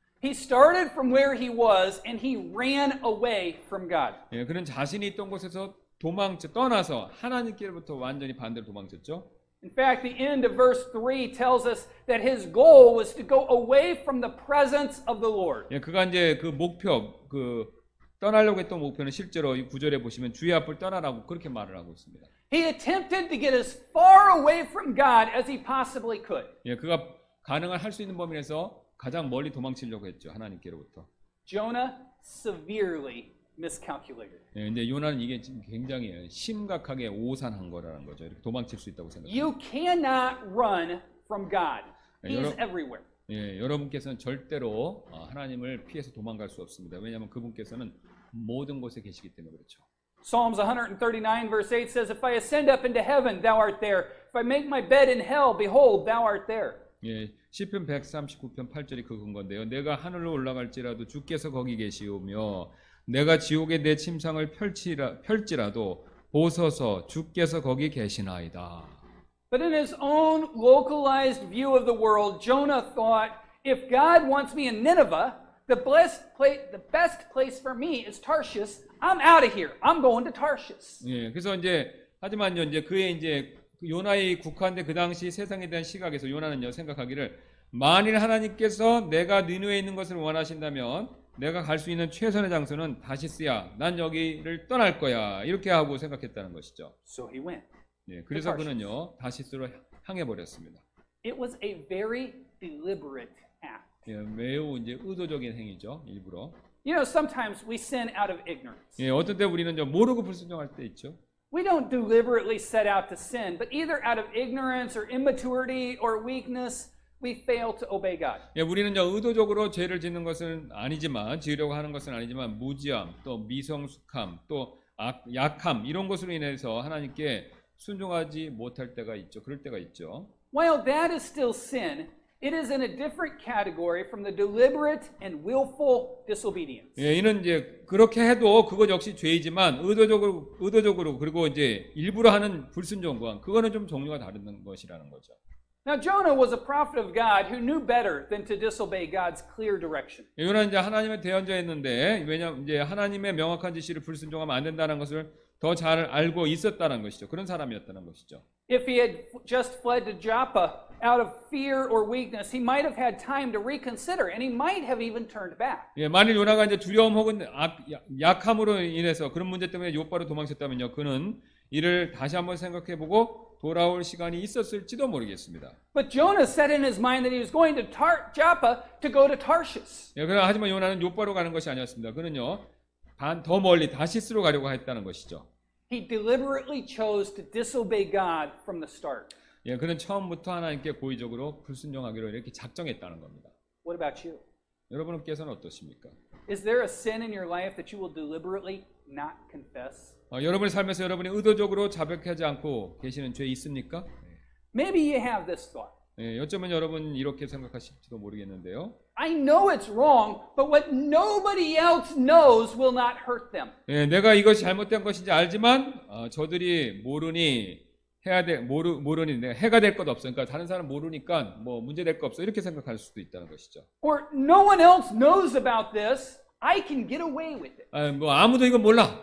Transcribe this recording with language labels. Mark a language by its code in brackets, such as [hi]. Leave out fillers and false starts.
[en] He started from where he was and he ran away from God. [ko] 예, 그는 자신이 있던 곳에서 도망쳐 떠나서 하나님께로부터 완전히 반대로 도망쳤죠. [en] In fact, the end of verse 3 tells us that his goal was to go away from the presence of the Lord. [ko] 예, 그가 이제 그 목표 그 떠나려고 했던 목표는 실제로 이 구절에 보시면 주의 앞을 떠나라고 그렇게 말을 하고 있습니다. [en] He attempted to get as far away from God as he possibly could. [ko] 예, 그가 가능한 할 수 있는 범위 내에서 가장 멀리 도망치려고 했죠. 하나님께로부터. [en] Jonah severely miscalculated. [ko] 예, 근데 요나는 이게 굉장히 심각하게 오산한 거라는 거죠. 이렇게 도망칠 수 있다고 생각합니다. [en] You cannot run from God. He's 예, everywhere. [ko] 예, 여러분께서는 절대로 하나님을 피해서 도망갈 수 없습니다. 왜냐하면 그분께서는 모든 곳에 계시기 때문에 그렇죠. [en] Psalms 139 verse 8 says, If I ascend up into heaven, thou art there. If I make my bed in hell, behold, thou art there. [ko] 예, 시편 139편 8절이 그 근거인데요. 내가 하늘로 올라갈지라도 주께서 거기 계시오며 내가 지옥에 내 침상을 펼지라도 보소서 주께서 거기 계시나이다. [en] But in his own localized view of the world, Jonah thought, if God wants me in Nineveh, the best place for me is Tarshish. I'm out of here. I'm going to Tarshish. [ko] 예, 그래서 이제 하지만요, 이제 그의 이제 요나의 국한대 그 당시 세상에 대한 시각에서 요나는요 생각하기를 만일 하나님께서 내가 니느웨에 있는 것을 원하신다면 내가 갈 수 있는 최선의 장소는 다시스야. 난 여기를 떠날 거야. 이렇게 하고 생각했다는 것이죠. [en] So he went. [ko] 예, 그래서 그는요 다시스로 향해 버렸습니다. [en] It was a very deliberate act. [ko] 예, 매우 이제 의도적인 행위죠. 일부러. [en] You know, sometimes we sin out of ignorance. [ko] 예, 어떤 때 우리는 좀 모르고 불순종할 때 있죠. [en] We don't deliberately set out to sin, but either out of ignorance or immaturity or weakness, we fail to obey God. [ko] 예, 우리는요 의도적으로 죄를 짓는 것은 아니지만 지으려고 하는 것은 아니지만 무지함, 또 미성숙함, 또 약함 이런 것으로 인해서 하나님께 순종하지 못할 때가 있죠. 그럴 때가 있죠. [en] While that is still sin, it is in a different category from the deliberate and willful disobedience. [ko] 예, 이는 이제 그렇게 해도 그것 역시 죄이지만 의도적으로 그리고 이제 일부러 하는 불순종과 그거는 좀 종류가 다른 것이라는 거죠. [en] Now Jonah was a prophet of God who knew better than to disobey God's clear direction. [ko] 예, 요나는 이제 하나님의 대언자였는데 왜냐면 이제 하나님의 명확한 지시를 불순종하면 안 된다는 것을 더 잘 알고 있었다는 것이죠. 그런 사람이었다는 것이죠. [en] If he had just fled to Joppa out of fear or weakness, he might have had time to reconsider, and he might have even turned back. [ko] 예, 만일 요나가 이제 두려움 혹은 약함으로 인해서 그런 문제 때문에 요바로 도망쳤다면요, 그는 이를 다시 한번 생각해보고 돌아올 시간이 있었을지도 모르겠습니다. [en] But Jonah set in his mind that he was going to Joppa to go to Tarshish. [ko] 예, 그러나 하지만 요나는 요바로 가는 것이 아니었습니다. 그는요. 더 멀리 다시스로 가려고 했다는 것이죠. [en] He deliberately chose to disobey God from the start. [ko] 예, 그는 처음부터 하나님께 고의적으로 불순종하기로 이렇게 작정했다는 겁니다. [en] What about you? [ko] 여러분께서는 어떠십니까? [en] Is there a sin in your life that you will deliberately not confess? [ko] 여러분의 삶에서 여러분이 의도적으로 자백하지 않고 계시는 죄 있습니까? [en] Maybe you have this thought. [ko] 예, 어쩌면 여러분 이렇게 생각하실지도 모르겠는데요. [en] I know it's wrong, but what nobody else knows will not hurt them. [ko] 예, 내가 이것이 잘못된 것인지 알지만 저들이 모르니 모르니 내가 해가 될 것 없어. 그러니까 다른 사람 모르니까 뭐 문제 될 거 없어. 이렇게 생각할 수도 있다는 것이죠. [en] Or no one else knows about this. I can get away with it. [ko] 예, 뭐 아무도 이거 몰라.